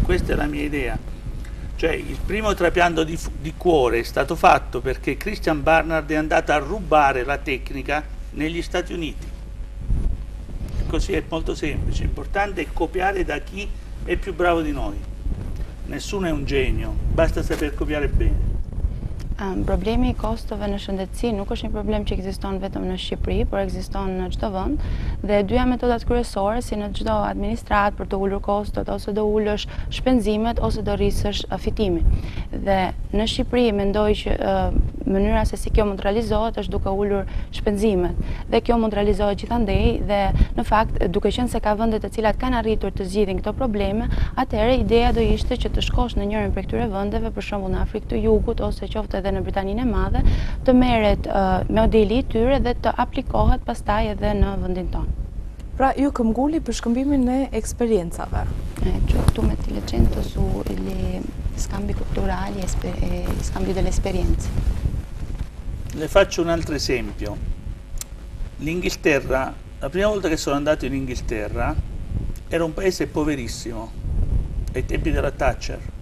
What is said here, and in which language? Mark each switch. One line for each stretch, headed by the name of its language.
Italian: Questa è la mia idea. Cioè, il primo trapianto di cuore è stato fatto perché Christian Barnard è andato a rubare la tecnica negli Stati Uniti. così, è molto semplice. L'importante è copiare da chi è più bravo di noi. Nessuno è un genio, basta saper copiare bene.
Albanian: Problemi i costove në shëndetësi nuk është një problem që ekziston vetëm në Shqipëri, por ekziston në çdo vend. Dhe dyja metodat kryesore, si në çdo administrat, për të ulur kostot, ose do ulësh shpenzimet, ose do rrisësh fitimin. Dhe në Shqipëri mendoj që mënyra se si kjo mund realizohet është duke ulur shpenzimet. Dhe kjo mund realizohet gjithandej, dhe në fakt, duke qenë se ka vende të cilat kanë arritur të zgjidhin këto probleme, atëherë ideja do ishte që të shkosh në njërin prej këtyre vendeve, për shembull në Afrikë të Jugut, ose qoftë edhe në Britaninë e Madhe, të merret modeli i tyre dhe të aplikohet pastaj edhe në vendin tonë. Pra ju këmbgulni për shkëmbimin e eksperiencave.
Italian: Ecco, tu metti l'accento sugli scambi culturali e scambi delle esperienze. Le faccio un altro esempio. L'Inghilterra, la prima volta che sono andato in Inghilterra, era un paese poverissimo, ai tempi della Thatcher.